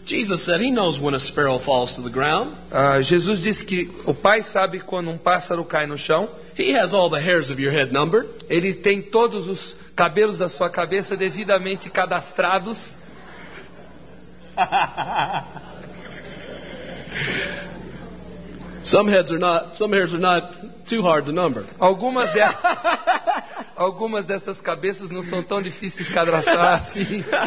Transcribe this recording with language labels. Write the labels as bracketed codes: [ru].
[en] Jesus said he knows when a sparrow falls to the ground. [pt] Jesus disse que o Pai sabe quando um pássaro cai no chão. [en] He has all the hairs of your head numbered. [pt] Ele tem todos os cabelos da sua cabeça devidamente cadastrados. [en] Some hairs are not too hard to number. [pt] Algumas dessas cabeças não são tão difíceis de cadastrar assim.